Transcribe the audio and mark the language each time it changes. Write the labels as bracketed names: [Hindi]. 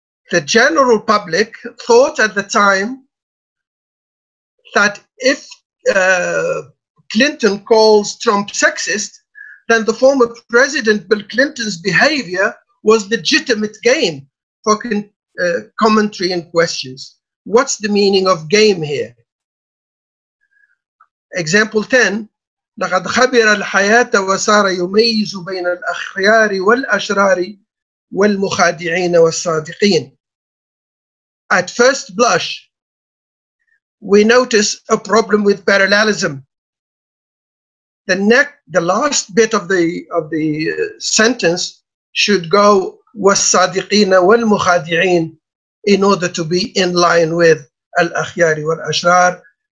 [English] The general public thought at the time that if Clinton calls Trump sexist, then the former president Bill Clinton's behavior was legitimate game for commentary and questions. What's the meaning of game here? Example 10. [Arabic] لقد خبر الحياة وصار يميز بين الأخيار والأشرار والمخادعين والصادقين. [English] At first blush, we notice a problem with parallelism. The last bit of the sentence should go [Arabic] والصادقين والمخادعين [English] in order to be in line with [Arabic] الأخيار والأشرار.